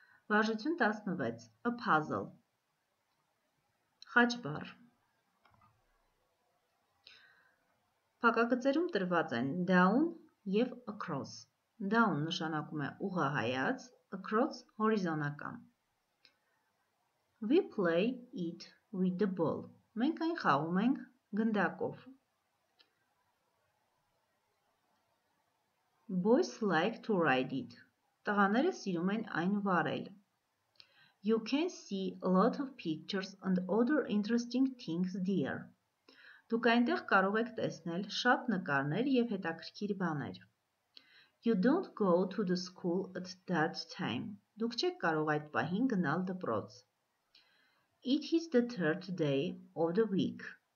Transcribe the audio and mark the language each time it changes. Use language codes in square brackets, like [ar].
[hy] Վարժություն 16. [en] A puzzle. [hy] Խաչբար։ Փակագծերում տրված են down եւ across։ Down նշանակում է ուղղահայաց, across հորիզոնական։ [en] We play it with the ball. [hy] Մենք այն խաղում ենք գնդակով. [en] Boys like to ride it. [hy] Տղաները սիրում են այն վարել. [en] You can see a lot of pictures and other interesting things there. [hy] Դուք այնտեղ կարող եք տեսնել շատ նկարներ եւ հետաքրքիր բաներ. [en] You don't go to the school at that time. [hy] Դուք չեք կարող այդ պահին գնալ դպրոց. [en] It is the third day of the week.